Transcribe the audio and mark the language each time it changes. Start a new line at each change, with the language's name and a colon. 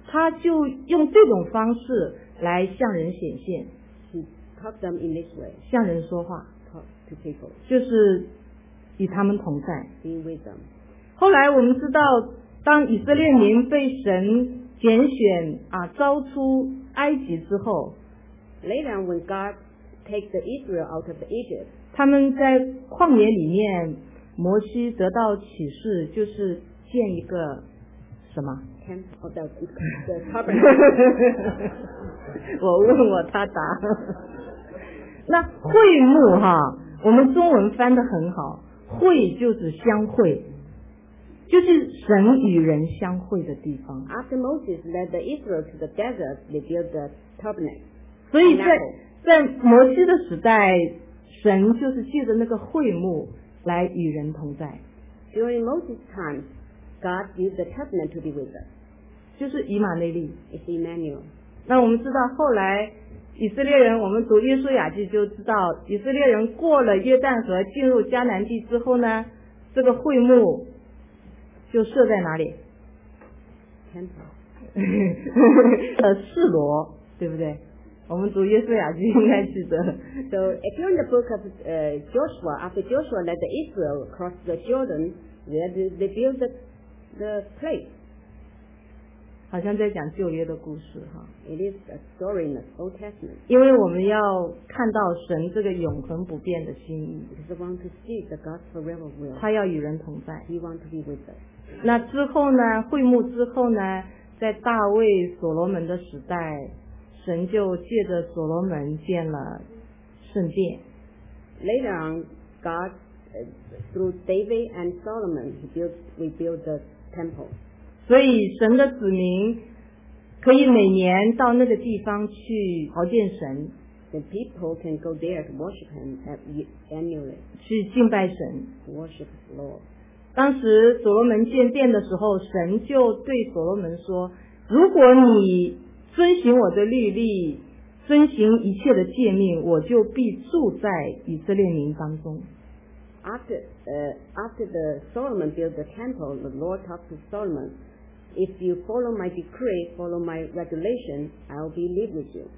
Chinese: 他就用这种方式来向人显现。
English: He talked them in this way.
Chinese: 向人说话。
English: Talk to people.
Chinese: 就是与他们同在。
English: Being with them.
Chinese: 后来我们知道，当以色列民被神拣选啊，招出埃及之后。
English: Later on, when God take the Israel out of Egypt.
Chinese: 他们在旷野里面，摩西得到启示，就是建一个什么
English: ？Camp of the Tabernacle.
Chinese: 我问我他答。那会幕哈，我们中文翻得很好，会就是相会，就是神与人相会的地方。
English: After Moses led the Israel to the desert, they built the Tabernacle.
Chinese: 所以在摩西的时代，神就是借着那个会幕来与人同在。
English: During Moses' time, God used the covenant to be with us.
Chinese: 就是以马内利。
English: It's Emmanuel.
Chinese: 那我们知道后来以色列人，我们读约书亚记就知道，以色列人过了约旦河进入迦南地之后呢，这个会幕就设在哪里
English: ？Temple.
Chinese: 示罗，对不对？我们读约书亚记应该记得。
English: So during the book of Joshua, after Joshua led the Israel across the Jordan, they built the place.
Chinese: 好像在讲旧约的故事哈。
English: It is a story in the Old Testament.
Chinese: 因为我们要看到神这个永恒不变的心意。
English: Because we want to see the God's forever will.
Chinese: 他要与人同在。
English: He want to be with us.
Chinese: 那之后呢？会幕之后呢？在大卫、所罗门的时代。神就借着所罗门建了圣殿。
English: Later on, God through David and Solomon rebuilt the temple.
Chinese: 所以神的子民可以每年到那个地方去朝见神。
English: The people can go there to worship him annually.
Chinese: 去敬拜神。
English: Worship the Lord.
Chinese: 当时所罗门建殿的时候，神就对所罗门说：“如果你遵行我的律例，遵行一切的诫命，我就必住在以色列民当中。
English: after the Solomon built the temple, the Lord talked to Solomon, if you follow my decree, follow my regulation, I'll be live with you.